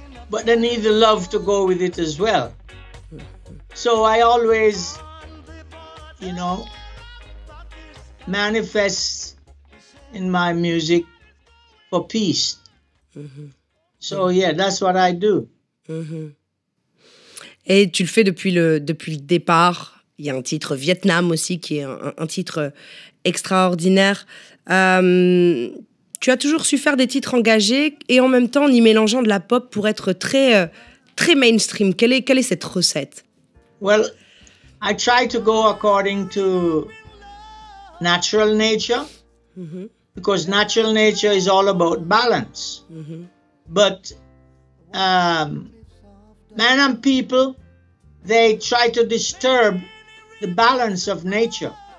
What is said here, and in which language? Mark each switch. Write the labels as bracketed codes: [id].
[en] But they need the love to go with it as well. So I always, you know, manifest in my music for peace. Mm-hmm. So yeah, that's what I do. Mm-hmm. [fr] Et tu le fais depuis le départ. Il y a un titre Vietnam aussi qui est un titre extraordinaire. Tu as toujours su faire des titres engagés et en même temps en y mélangeant de la pop pour être très, très mainstream. Quelle est cette recette? [en] Well, I try to go according to natural nature. Mm-hmm. Because natural nature is all about balance. Mm-hmm. But men and people, they try to disturb the balance of nature.